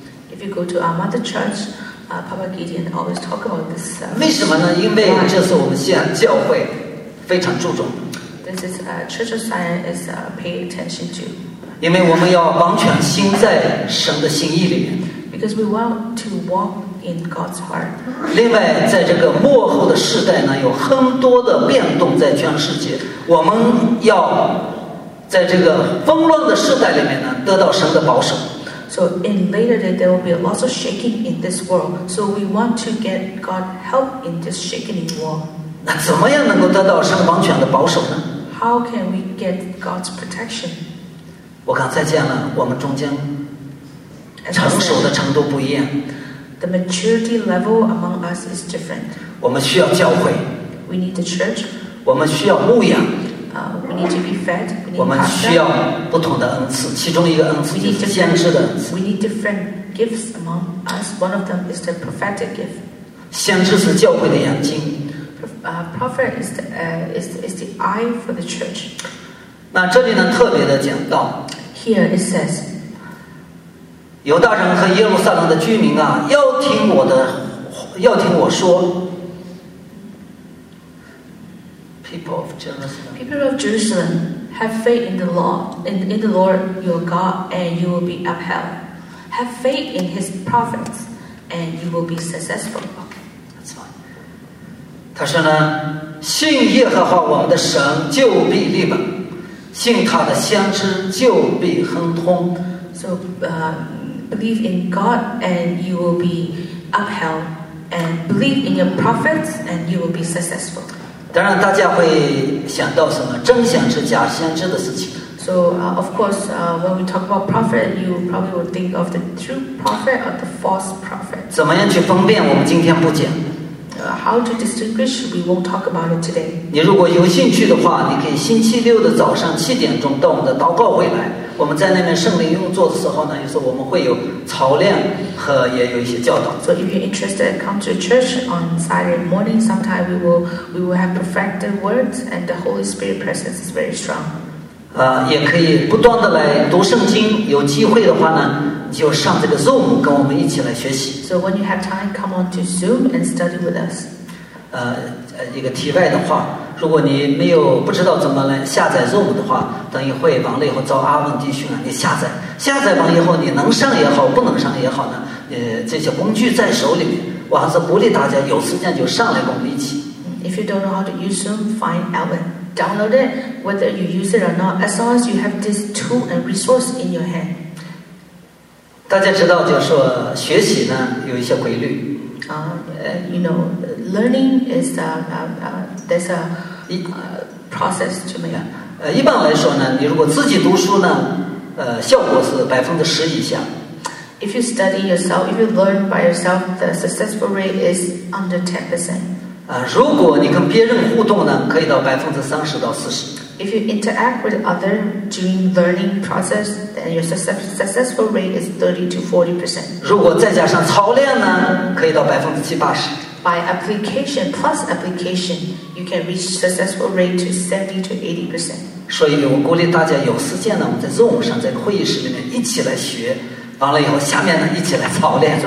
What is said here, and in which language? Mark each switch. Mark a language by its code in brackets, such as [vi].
[en] If you go to our mother church, Papa Gideon always talk about this. [zh] 为什么呢？因为这是我们西安教会非常注重。 [en] This is a church of science is paying attention to. [zh] 因为我们要完全心在神的心意里面。 [en] Because we want to walk in God's heart. [zh] 另外，在这个末后的时代呢，有很多的变动在全世界。我们要在这个纷乱的时代里面呢，得到神的保守。 [en] So in later day, there will be lots of shaking in this world. So we want to get God help in this shaking world. [zh] 那怎么样能够得到神完全的保守呢？ [en] How can we get God's protection? [zh] 我刚才讲了，我们中间成熟的程度不一样。 [en] The maturity level among us is different. [zh] 我们需要教会。 [en] We need the church. [zh] 我们需要牧养。 [en] We need to be fed. [zh] 我们需要不同的恩赐，其中一个恩赐就是先知的恩赐。 [en] We need different gifts among us. One of them is the prophetic gift. [zh] 先知是教会的眼睛。 [en] Prophet is the eye for the church. [zh] 那这里呢，特别的讲到。 [en] Here it says, [zh] 犹大人和耶路撒冷的居民啊，要听我的，要听我说。 [en] People of Jerusalem, have faith in the law, in the Lord your God, and you will be upheld. Have faith in His prophets, and you will be successful. Okay, that's fine. [zh] 他说呢，信耶和华我们的神就必立本，信他的先知就必亨通。 [en] So, believe in God, and you will be upheld. And believe in your prophets, and you will be successful. [zh] 当然，大家会想到什么真先知、假先知的事情。 [en] So, of course, when we talk about prophet, you probably will think of the true prophet or the false prophet. [zh] 怎么样去分辨？我们今天不讲。 [en] How to distinguish? We won't talk about it today. [zh] 你如果有兴趣的话，你可以星期六的早上7:00到我们的祷告会来。我们在那边圣灵用作的时候呢，有时候我们会有操练和也有一些教导。 [en] So if you're interested, come to church on Saturday morning. Sometime we will have perfected words and the Holy Spirit presence is very strong. [zh] 也可以不断的来读圣经。有机会的话呢，就上这个 Zoom 跟我们一起来学习。 [en] So when you have time, come on to Zoom and study with us. [zh] 一个题外的话。如果你没有不知道怎么来下载 Zoom 的话，等一会完了以后找阿文弟兄啊，你下载。下载完以后，你能上也好，不能上也好呢，这些工具在手里面，我还是鼓励大家有时间就上来跟我们一起。 [en] If you don't know how to use Zoom, find Alvin, download it. Whether you use it or not, as long as you have this tool and resource in your hand. [zh] 大家知道，就是说学习呢有一些规律。 [en] You know, learning is there's a process to make. [zh] 一般来说呢，你如果自己读书呢，效果是10%以下。 [en] If you study yourself, if you learn by yourself, the successful rate is under 10%. [zh] 如果你跟别人互动呢，可以到30%-40%。 [en] If you interact with others during learning process, then your successful rate is 30%-40%. [zh] 如果再加上操练呢，可以到70%-80%。 [en] By application plus application, you can reach successful rate to 70%-80%. [zh] 所以我鼓励大家有时间呢，我们在 Zoom 上，在会议室里面一起来学，完了以后下面呢一起来操练。